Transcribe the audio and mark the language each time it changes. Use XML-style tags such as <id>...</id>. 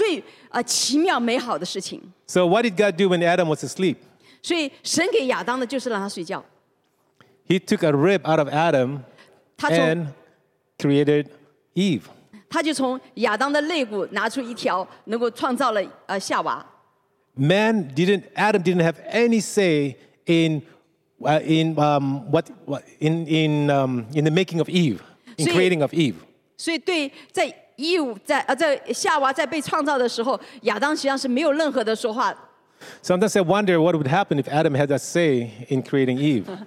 <zh>他说，当亚当在睡觉的时候，神创造了那最奇妙美好的事情。</zh> <en>So what did God do when Adam was asleep?</en> <zh>所以神给亚当的就是让他睡觉。</zh> <en>He took a rib out of Adam and created Eve.</en> <zh>他就从亚当的肋骨拿出一条，能够创造了夏娃。</zh> <en>Man didn't. Adam didn't have any say in the making of Eve, in creating of Eve.</en> <zh>所以对在夏娃在被创造的时候，亚当实际上是没有任何的说话。</zh> <en>Sometimes I wonder what would happen if Adam had a say in creating Eve.</en>